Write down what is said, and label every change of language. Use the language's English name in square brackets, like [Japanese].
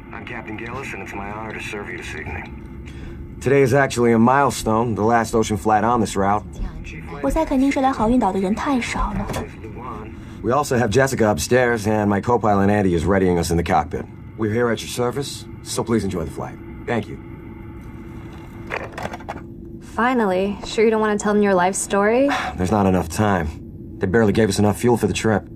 [English] I'm Captain Gillis, and it's my honor to serve you this evening. Today is actually a milestone, the last ocean flight on this route. [Chinese] 我猜肯定是来好运岛的人太少了。 [English] We also have Jessica upstairs, and my co-pilot Andy is readying us in the cockpit. We're here at your service, so please enjoy the flight. Thank you. Finally, sure you don't want to tell them your life story? There's not enough time. They barely gave us enough fuel for the trip.